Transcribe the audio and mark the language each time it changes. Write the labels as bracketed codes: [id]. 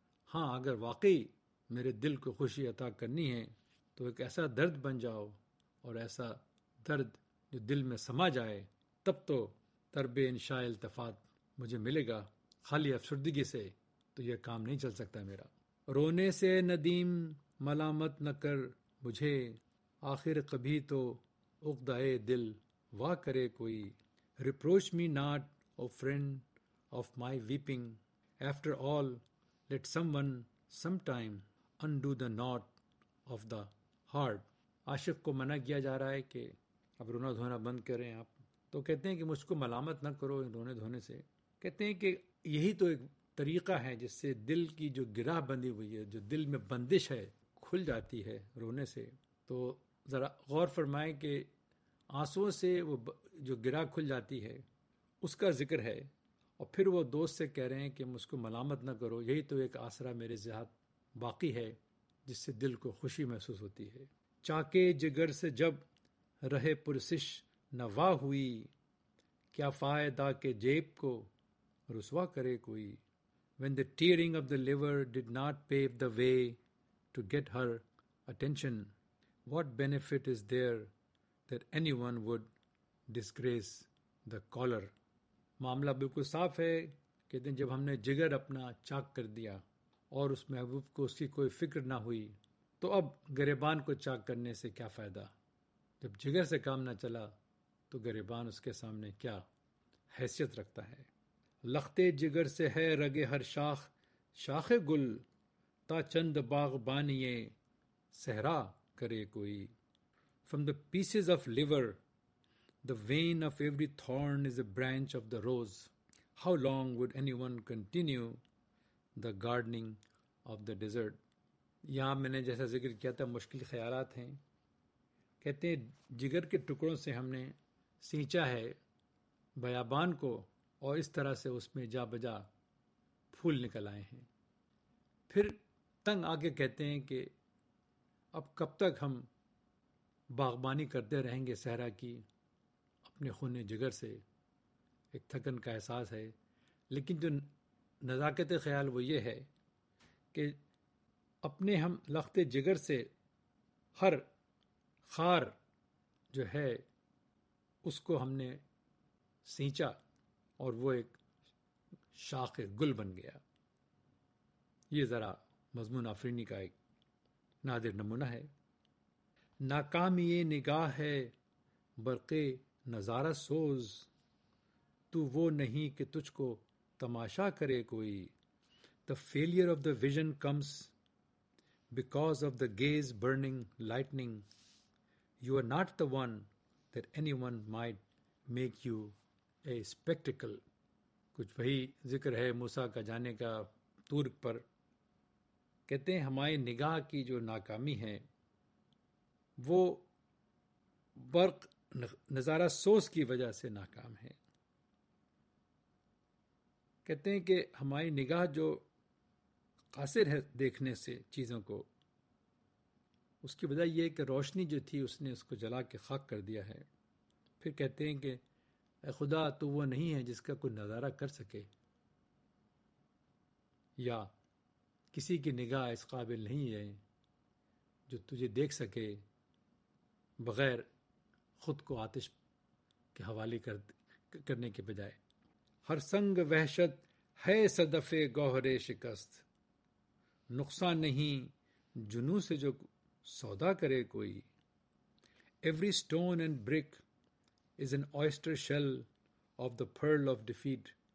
[ur] ہاں اگر واقعی میرے دل کو خوشی عطا کرنی ہے, تو ایک ایسا درد بن جاؤ, اور ایسا درد جو دل میں سما جائے, تب تو طرب انشاء التفات مجھے ملے گا. خالی افسردگی سے تو یہ کام نہیں چل سکتا میرا. رونے سے ندیم ملامت نہ کر مجھے, آخر کبھی تو عقدہ دل وا کرے کوئی. [en] Reproach me not O friend of my weeping, after all let someone sometime undo the knot of the heart. [ur] عاشق کو منع کیا جا رہا ہے کہ اب رونا دھونا بند کریں آپ, تو کہتے ہیں کہ مجھ کو ملامت نہ کرو رونے دھونے سے. کہتے ہیں کہ یہی تو ایک طریقہ ہے جس سے دل کی جو گرہ بندی ہوئی ہے, جو دل میں بندش ہے, کھل جاتی ہے رونے سے. تو ذرا غور فرمائیں کہ آنسوؤں سے وہ جو گرہ کھل جاتی ہے اس کا ذکر ہے, اور پھر وہ دوست سے کہہ رہے ہیں کہ مجھ کو ملامت نہ کرو, یہی تو ایک آسرا میرے ذات باقی ہے جس سے دل کو خوشی محسوس ہوتی ہے. چاکے جگر سے جب رہے پرسش نوا ہوئی, کیا فائدہ کہ جیب کو رسوا کرے کوئی. [en] When the tearing of the liver did not pave the way to get her attention, what benefit is there that anyone would disgrace the caller. [ur] معاملہ بالکل صاف ہے. کہتے ہیں جب ہم نے جگر اپنا چاک کر دیا اور اس محبوب کو اس کی کوئی فکر نہ ہوئی, تو اب غریبان کو چاک کرنے سے کیا فائدہ. جب جگر سے کام نہ چلا تو غریبان اس کے سامنے کیا حیثیت رکھتا ہے. لختے جگر سے ہے رگے ہر شاخ شاخ گل, تا چند باغ بانیے صحرا کرے کوئی. [en] From the pieces of liver The vein of every thorn is a branch of the rose. How long would anyone continue the gardening of the desert? [ur] یہاں میں نے جیسا ذکر کیا تھا مشکل خیالات ہیں. کہتے ہیں جگر کے ٹکڑوں سے ہم نے سینچا ہے بیابان کو اور اس طرح سے اس میں جا بجا پھول نکل آئے ہیں. پھر تنگ آ کے کہتے ہیں کہ اب کب تک ہم باغبانی کرتے رہیں گے صحرا کی. اپنے خون جگر سے ایک تھکن کا احساس ہے, لیکن جو نزاکت خیال وہ یہ ہے کہ اپنے ہم لخت جگر سے ہر خار جو ہے اس کو ہم نے سینچا اور وہ ایک شاخ گل بن گیا. یہ ذرا مضمون آفرینی کا ایک نادر نمونہ ہے. ناکام یہ نگاہ ہے برق نظارہ سوز, تو وہ نہیں کہ تجھ کو تماشا کرے کوئی. [en] The failure of the vision comes because of the gaze burning lightning. You are not the one that anyone might make you a spectacle. [ur] کچھ وہی ذکر ہے موسیٰ کا جانے کا طور پر. کہتے ہیں ہمارے نگاہ کی جو ناکامی ہے وہ برق نظارہ سوز کی وجہ سے ناکام ہے. کہتے ہیں کہ ہماری نگاہ جو قاصر ہے دیکھنے سے چیزوں کو, اس کی وجہ یہ ہے کہ روشنی جو تھی اس نے اس کو جلا کے خاک کر دیا ہے. پھر کہتے ہیں کہ اے خدا تو وہ نہیں ہے جس کا کوئی نظارہ کر سکے, یا کسی کی نگاہ اس قابل نہیں ہے جو تجھے دیکھ سکے بغیر خود کو آتش کے حوالے کرنے کے بجائے. ہر سنگ وحشت ہے صدف گوہر شکست, نقصان نہیں جنوں سے جو سودا کرے کوئی. [en] Every stone and brick is an oyster shell of the pearl of defeat.